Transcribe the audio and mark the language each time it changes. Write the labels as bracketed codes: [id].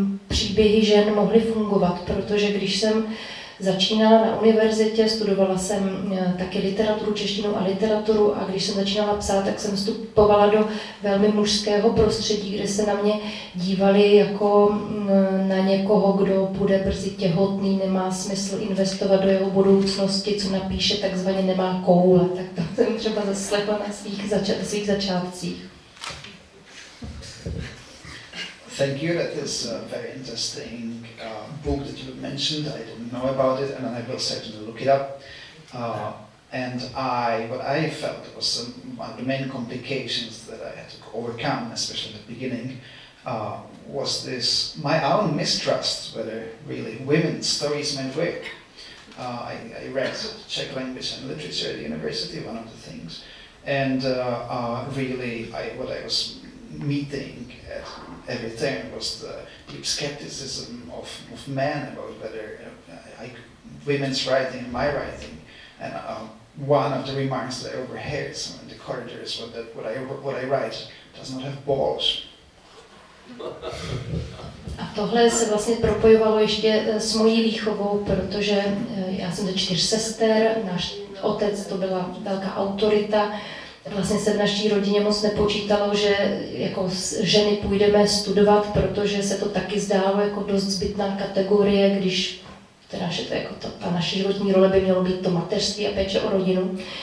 [cs] příběhy žen mohly fungovat, protože když jsem začínala na univerzitě, studovala jsem taky literaturu, češtinu a literaturu, a když jsem začínala psát, tak jsem vstupovala do velmi mužského prostředí, kde se na mě dívali jako na někoho, kdo bude brzy těhotný, nemá smysl investovat do jeho budoucnosti, co napíše, takzvaně nemá koule. Tak to jsem třeba zaslechla na svých začátcích. [en] Thank you, that is a very interesting book that you mentioned. I didn't know about it, and I will certainly look it up. And what I felt was some of the main complications that I had to overcome, especially at the beginning, was this my own mistrust whether really women's stories meant work. I read Czech language and literature at the university, one of the things, and really, what I was meeting at every turn was the deep skepticism of men about whether women's writing and my writing. And one of the remarks that I overheard in the corridors was that what I write does not have balls. [cs] A tohle se vlastně propojovalo ještě s mojí výchovou, protože já jsem ze čtyř sester, náš otec to byla velká autorita. Vlastně se v naší rodině moc nepočítalo, že jako ženy půjdeme studovat, protože se to taky zdálo jako dost zbytná kategorie, když teda, že to jako to, ta naše životní role by mělo být to mateřství a péče o rodinu.